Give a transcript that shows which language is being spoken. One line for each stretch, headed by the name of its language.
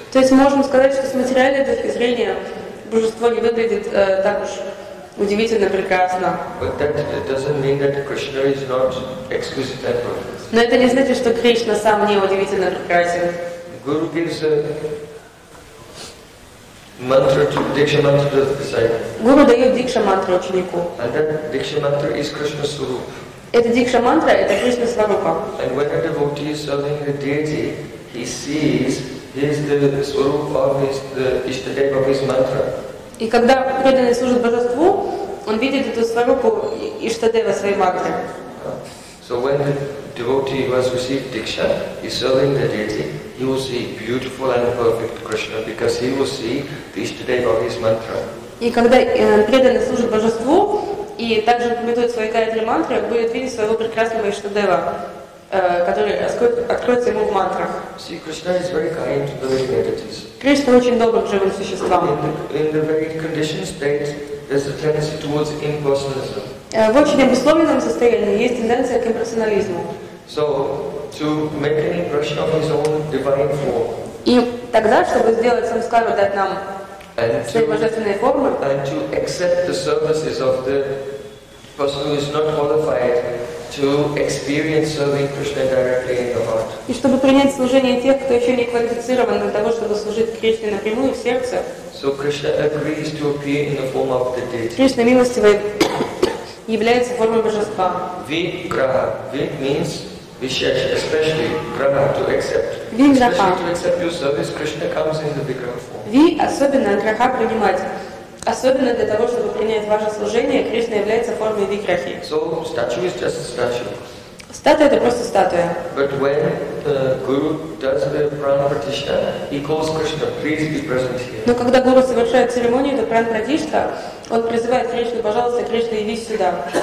Russian: То есть мы можем сказать, что с материальной точки зрения божество не выглядит так уж Удивительно прекрасно.
English: But that doesn't mean that Krishna is not exquisite and perfect.
Russian: Но это не значит, что Кришна сам не удивительно прекрасен.
English: Guru gives a mantra to diksha mantra to the disciple.
Russian: Guru дает дикша мантру ученику.
English: And that diksha mantra is Krishna Swarup.
Russian: Это дикша мантра, это Кришна Сварупа.
English: And when a devotee is serving the deity, he sees he is the Swarup of his the Ishtadev of his mantra.
Russian: И когда преданный служит божеству, он видит эту сварупу Иштадева своей мантры.
English: So when the devotee who has received diksha is serving the deity, he will see beautiful and perfect Krishna because he will see the Ishtadeva of his mantra.
Russian: И когда преданный служит божеству и также медитирует свои каятри мантры, будет видеть своего прекрасного Иштадева, который откроется ему в мантрах.
English: See, Krishna is very kind to the devotees.
Russian: Кришна очень добр к живым существам.
English: In the very conditioned state, there's a tendency towards impersonalism.
Russian: В очень обусловленном состоянии есть тенденция к имперсонализму.
English: So, to make an impression of his own divine form.
Russian: И тогда, чтобы сделать самскару, дать нам свои божественные формы.
English: And to accept the services of the person who is not qualified to experience serving Krishna directly in the heart.
Russian: И чтобы принять служение тех, кто еще не квалифицирован для того, чтобы служить Кришне напрямую в сердце.
English: So Krishna agrees to appear in the form of the deity.
Russian: Кришна милостивый является формой божества.
English: Vigraha. Vig means vishesh, especially graha, to accept. Vigraha. Especially to accept your service, Krishna comes in the vigraha form.
Russian: Ви особенно граха принимать. Особенно для того, чтобы принять ваше служение, Кришна является формой виграхи.
English: So statue is just a statue.
Russian: Статуя — это просто статуя.
English: But when the guru does the prana pratishtha, he calls Krishna, please be present here.
Russian: Но когда гуру совершает церемонию, то прана пратишта, он призывает Кришну, пожалуйста, Кришна, явись сюда.